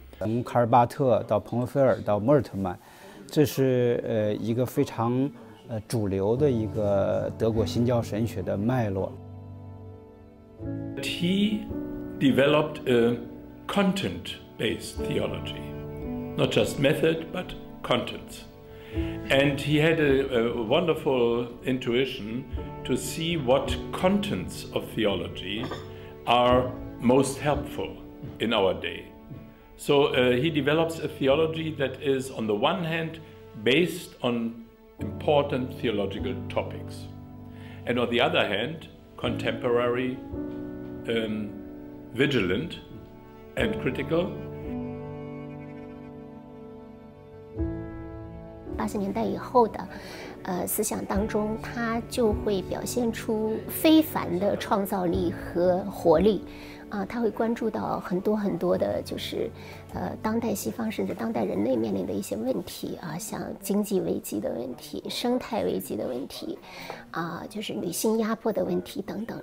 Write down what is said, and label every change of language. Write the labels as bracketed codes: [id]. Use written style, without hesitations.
[zh] 从卡尔巴特到彭罗菲尔到莫尔特曼，这是一个非常主流的一个德国新教神学的脉络。 [en] He developed a content-based theology, not just method but contents, and he had a wonderful intuition to see what contents of theology are most helpful in our day. So he develops a theology that is on the one hand based onimportant theological topics, and on the other hand, contemporary, vigilant, and critical. [zh] 八十年代以后的，思想当中，它就会表现出非凡的创造力和活力。他会关注到很多很多的，就是当代西方甚至当代人类面临的一些问题啊，像经济危机的问题、生态危机的问题啊，就是女性压迫的问题等等。